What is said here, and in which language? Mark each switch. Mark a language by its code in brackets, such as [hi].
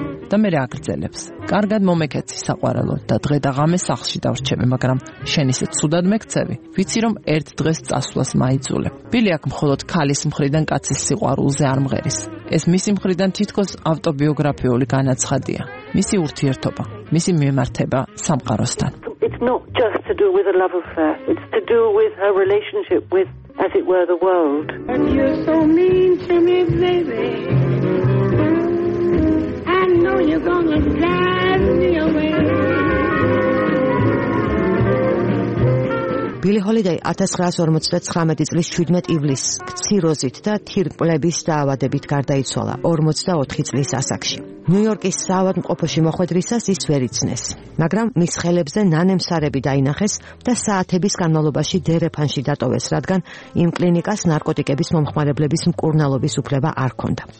[ka] და მე რაგრძელებს. კარგად მომეკეცი საყვარელო და დღე და ღამე სახლში დავრჩები, მაგრამ შენ ისე ცუდად მეკცევი. ვიცი რომ ერთ დღეს წასვლას მაიძულებ. ბილი აქ მხოლოდ ქალის მხრიდან კაცის სიყვარულზე არ მღერის. ეს მისი მხრიდან თითქოს ავტობიოგრაფიული განაცხადია. მისი ურთიერთობა, მისი მიმართება სამყაროსთან. [en] It's not just to do with a love affair. It's to do with her relationship with, as it were, the world. And you're so mean to me, baby. I know you're gonna drive me away. [ka] ბილი ჰოლიდეი 1959 წლის 17 ივლისს ქციროზით და თირკმლების დაავადებით გარდაიცვალა 44 წლის ასაკში. ნიუ-იორკის საავადმყოფოში მოხვედრისას ის ვერ იცნეს, მაგრამ მის ხელებზე ნანემსარები დაინახეს და საათების განმავლობაში დერეფანში დატოვეს, რადგან იმ კლინიკას ნარკოტიკების მომხმარებლების მკურნალობის უფლება არ ჰქონდა.